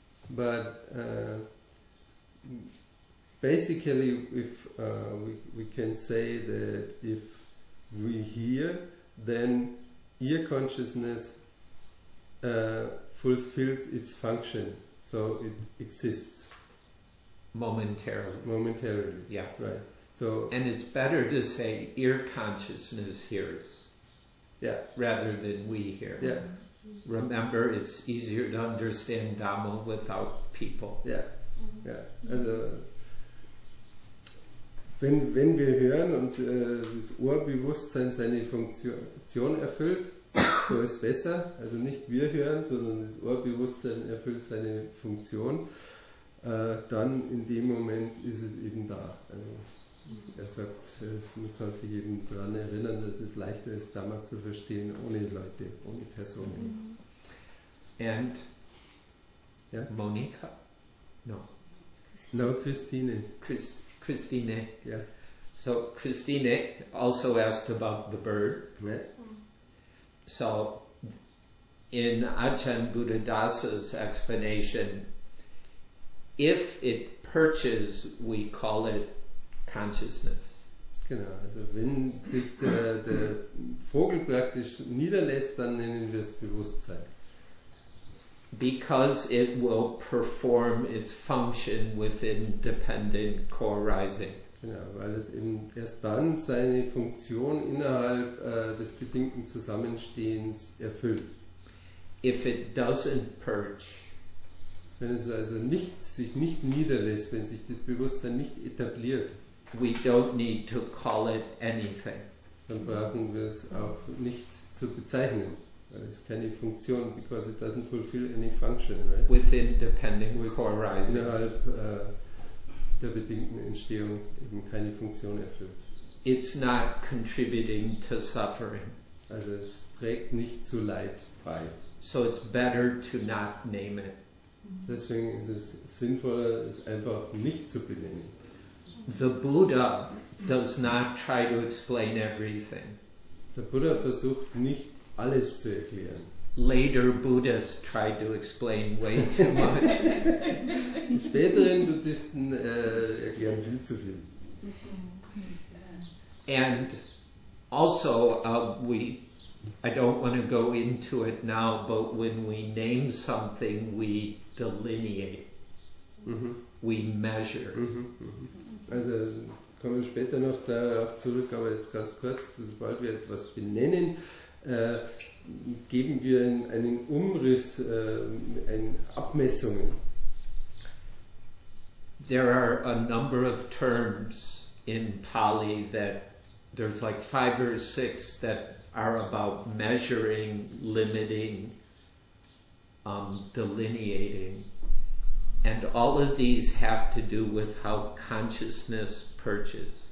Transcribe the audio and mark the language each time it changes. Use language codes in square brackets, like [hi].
[en] But basically, we can say that if we hear, then ear consciousness fulfills its function, so it exists momentarily. Yeah, right. So, and it's better to say ear consciousness hears, yeah, rather than we hear. Yeah, remember, it's easier to understand Dhamma without people. Yeah. [de] Also, wenn wir hören und das Ohrbewusstsein seine Funktion erfüllt, so ist besser, also nicht wir hören, sondern das Ohrbewusstsein erfüllt seine Funktion, dann in dem Moment ist es eben da. Also er sagt, man soll sich eben daran erinnern, dass es leichter ist, Dhamma zu verstehen, ohne Leute, ohne Personen. [en] And [de] ja? Monika? [en] No. No, Christine. Christine. Yeah. So Christine also asked about the bird. Yeah. So, in Ajahn Buddhadasa's explanation, if it perches, we call it consciousness. [de] Genau, also wenn sich der Vogel praktisch niederlässt, dann nennen wir es Bewusstsein. [en] Because it will perform its function with independent co-arising. [de] Genau, weil es eben erst dann seine Funktion innerhalb des bedingten Zusammenstehens erfüllt. [en] If it doesn't perch, [de] wenn es also sich nicht niederlässt, wenn sich das Bewusstsein nicht etabliert, [en] we don't need to call it anything. [de] Dann brauchen wir es auch nicht zu bezeichnen, weil es keine Funktion, [en] because it doesn't fulfill any function, right? Within depending co-arising. [de] Innerhalb der bedingten Entstehung eben keine Funktion erfüllt. [en] It's not contributing to suffering. [de] Also es trägt nicht zu Leid bei. [en] So it's better to not name it. [de] Deswegen ist es sinnvoller, es einfach nicht zu benennen. [en] The Buddha does not try to explain everything. [de] Der Buddha versucht nicht alles zu erklären. [en] Later Buddhists tried to explain way too much. [de] Späteren Buddhisten erklären viel zu viel. [en] And also, I don't want to go into it now, but when we name something, we delineate. Mm-hmm. We measure. Mm-hmm. [de] Also kommen wir später noch darauf zurück, aber jetzt ganz kurz, sobald wir etwas benennen, geben wir einen Umriss, Abmessungen. [en] There are a number of terms in Pali that there's like five or six that are about measuring, limiting, delineating. And all of these have to do with how consciousness perches.